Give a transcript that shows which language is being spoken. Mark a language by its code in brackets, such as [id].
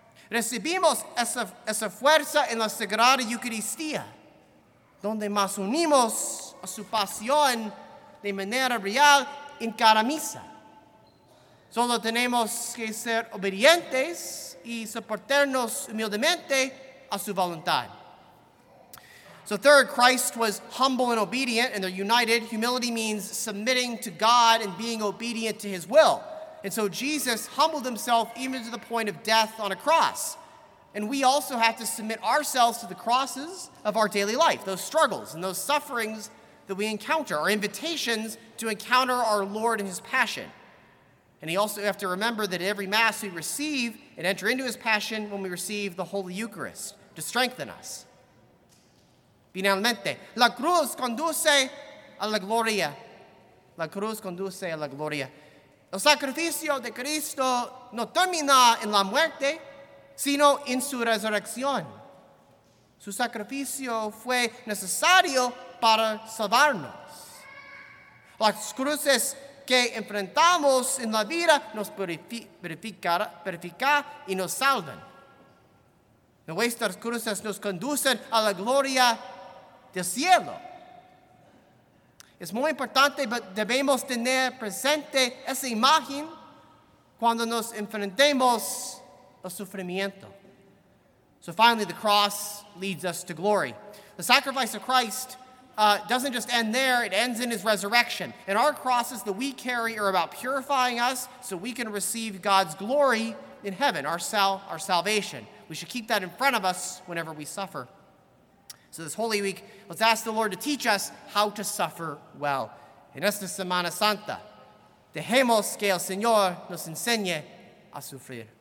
[es] Recibimos esa fuerza en la Sagrada Eucaristía, donde más unimos a su pasión de manera real en cada misa. Solo tenemos que ser obedientes y soportarnos humildemente a su voluntad. [en] So third, Christ was humble and obedient, and they're united. Humility means submitting to God and being obedient to his will. And so Jesus humbled himself even to the point of death on a cross. And we also have to submit ourselves to the crosses of our daily life, those struggles and those sufferings that we encounter, our invitations to encounter our Lord and his passion. And you also have to remember that every Mass we receive and enter into his passion when we receive the Holy Eucharist to strengthen us. [es] Finalmente, la cruz conduce a la gloria. La cruz conduce a la gloria. El sacrificio de Cristo no termina en la muerte, sino en su resurrección. Su sacrificio fue necesario para salvarnos. Las cruces que enfrentamos en la vida nos purifican y nos salvan. Nuestras cruces nos conducen a la gloria del cielo. Es muy importante, debemos tener presente esa imagen cuando nos enfrentemos al sufrimiento. [en] So finally, the cross leads us to glory. The sacrifice of Christ doesn't just end there, it ends in his resurrection. And our crosses that we carry are about purifying us so we can receive God's glory in heaven, our salvation. We should keep that in front of us whenever we suffer. So this Holy Week, let's ask the Lord to teach us how to suffer well. [es] En esta Semana Santa, dejemos que el Señor nos enseñe a sufrir.